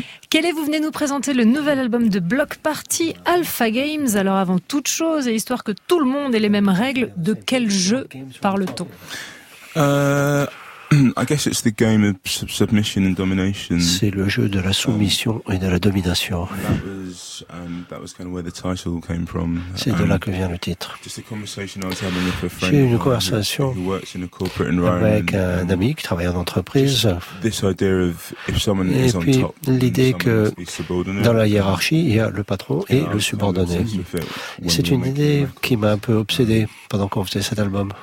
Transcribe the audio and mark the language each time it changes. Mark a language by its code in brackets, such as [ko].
[fr] Kelly, vous venez nous présenter le nouvel album de Block Party, Alpha Games. Alors avant toute chose, et histoire que tout le monde ait les mêmes règles, de quel jeu parle-t-on? [en] I guess it's the game of submission and domination. [fr] C'est le jeu de la soumission et de la domination. [en] That was kind of where the title came from. [fr] C'est de là que vient le titre. [en] Just a conversation I was having with a friend. [fr] J'ai eu une conversation avec un ami qui travaille en entreprise. [en] This idea of if someone [fr] et [en] is [fr] puis [en] on top, [fr] l'idée que dans la hiérarchie, il y a le patron et le subordonné. C'est une idée qui m'a un peu obsédé pendant qu'on faisait cet album.